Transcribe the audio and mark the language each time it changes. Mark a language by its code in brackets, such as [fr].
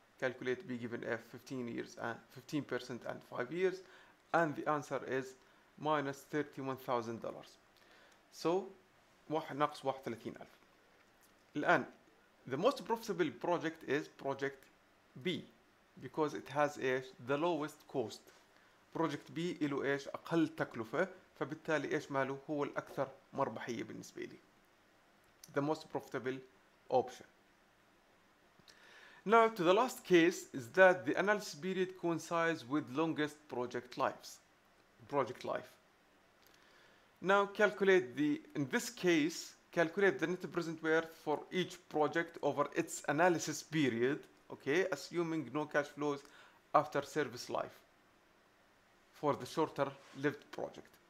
[en] Calculate b given f 15 years and 15% and 5 years, and the answer is minus $31,000. [ar] So ناقص 31,000. [en] الآن the most profitable project is project B because it has ايش the lowest cost. [ar] project B له ايش اقل تكلفة, فبالتالي ايش ماله هو الاكثر مربحية بالنسبة لي, [en] the most profitable option. Now to the last case is that the analysis period coincides with longest project lives, project life. Now calculate the, in this case, calculate the net present worth for each project over its analysis period, okay, assuming no cash flows after service life for the shorter lived project.